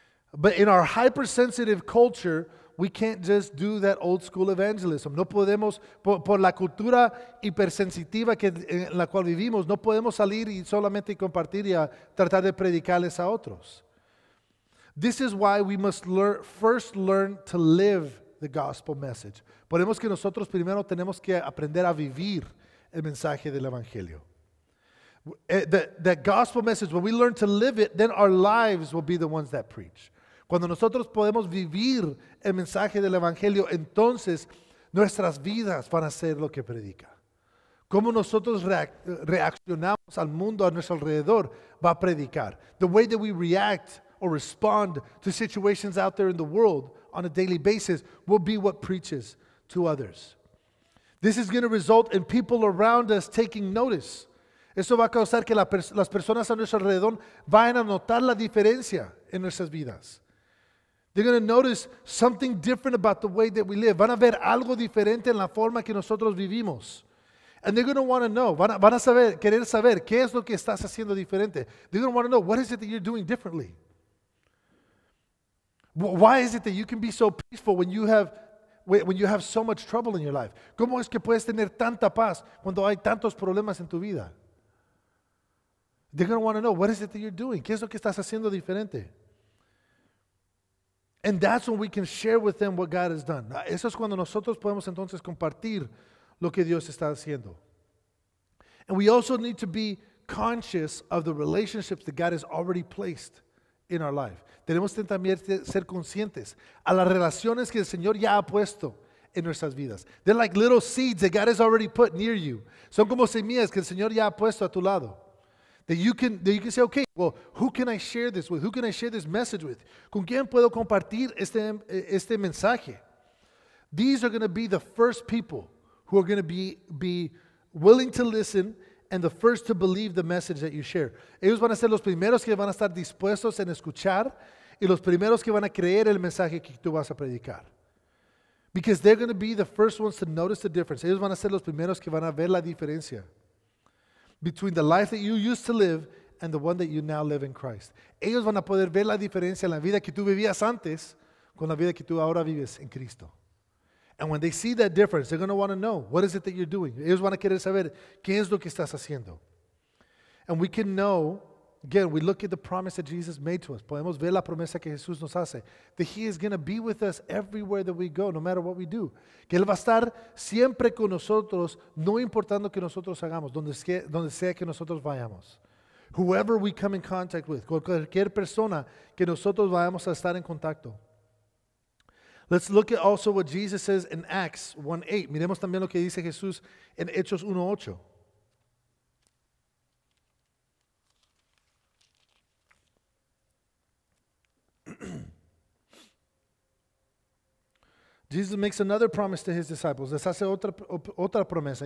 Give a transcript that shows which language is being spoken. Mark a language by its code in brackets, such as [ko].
[en] But in our hypersensitive culture, we can't just do that old school evangelism. [es] No podemos, por la cultura hipersensitiva en la cual vivimos, no podemos salir y solamente compartir y a tratar de predicarles a otros. [en] This is why we must first learn to live the gospel message. [es] Podemos que nosotros primero tenemos que aprender a vivir el mensaje del evangelio. [en] The gospel message, when we learn to live it, then our lives will be the ones that preach. [es] Cuando nosotros podemos vivir el mensaje del evangelio, entonces nuestras vidas van a ser lo que predica. Cómo nosotros reaccionamos al mundo a nuestro alrededor va a predicar. [en] The way that we react or respond to situations out there in the world on a daily basis will be what preaches to others. This is going to result in people around us taking notice. [es] Eso va a causar que las personas a nuestro alrededor vayan a notar la diferencia en nuestras vidas. [en] They're going to notice something different about the way that we live. [es] Van a ver algo diferente en la forma que nosotros vivimos. [en] And they're going to want to know, [es] van a querer saber qué es lo que estás haciendo diferente. [en] They're going to want to know, what is it that you're doing differently? Why is it that you can be so peaceful when you have so much trouble in your life? [es] ¿Cómo es que puedes tener tanta paz cuando hay tantos problemas en tu vida? [en] They're going to want to know, what is it that you're doing? [es] ¿Qué es lo que estás haciendo diferente? [en] And that's when we can share with them what God has done. [es] Eso es cuando nosotros podemos entonces compartir lo que Dios está haciendo. [en] And we also need to be conscious of the relationships that God has already placed in our life. [es] Tenemos que también ser conscientes a las relaciones que el Señor ya ha puesto en nuestras vidas. [en] They're like little seeds that God has already put near you. [es] Son como semillas que el Señor ya ha puesto a tu lado. [en] That you can say, okay, well, who can I share this with? Who can I share this message with? [es] ¿Con quién puedo compartir este mensaje? [en] These are going to be the first people who are going to be willing to listen and the first to believe the message that you share. [es] Ellos van a ser los primeros que van a estar dispuestos en escuchar y los primeros que van a creer el mensaje que tú vas a predicar. [en] Because they're going to be the first ones to notice the difference. [es] Ellos van a ser los primeros que van a ver la diferencia. [en] between the life that you used to live and the one that you now live in Christ. [es] Ellos van a poder ver la diferencia en la vida que tú vivías antes con la vida que tú ahora vives en Cristo. [en] And when they see that difference, they're going to want to know, what is it that you're doing? [es] Ellos van a querer saber, ¿qué es lo que estás haciendo? [en] And we can know, again, we look at the promise that Jesus made to us. [es] Podemos ver la promesa que Jesús nos hace, [en] that he is going to be with us everywhere that we go, no matter what we do. [es] Que él va a estar siempre con nosotros, no importando que nosotros hagamos, donde sea que nosotros vayamos. [en] Whoever we come in contact with, [es] cualquier persona que nosotros vayamos a estar en contacto. [en] Let's look at also what Jesus says in Acts 1:8. [es] Miremos también lo que dice Jesús en Hechos 1:8. [en] Jesus makes another promise to his disciples. [es] Les hace otra promesa.